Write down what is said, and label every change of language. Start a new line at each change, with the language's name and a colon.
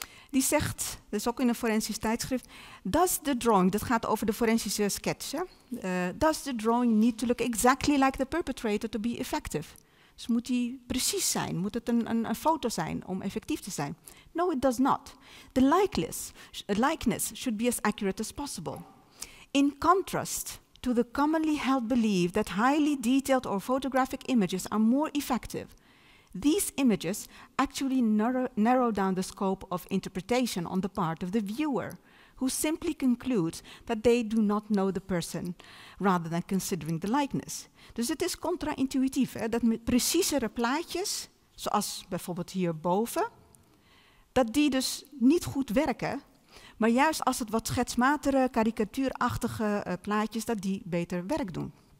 Dutch: Die zegt, dat is ook in een forensisch tijdschrift,
English: does the drawing,
Dutch: dat gaat over de forensische sketch,
English: does the drawing need to look exactly like the perpetrator to be effective?
Dutch: Dus moet die precies zijn? Moet het een foto zijn om effectief te zijn?
English: No, it does not. The likeness should be as accurate as possible. In contrast to the commonly held belief that highly detailed or photographic images are more effective, these images actually narrow down the scope of interpretation on the part of the viewer, who simply concludes that they do not know the person, rather than considering the likeness.
Dutch: Dus het is contra-intuïtief, dat met preciezere plaatjes, zoals bijvoorbeeld hierboven, dat die dus niet goed werken, maar juist als het wat schetsmatere, karikatuurachtige plaatjes, dat die beter werk doen.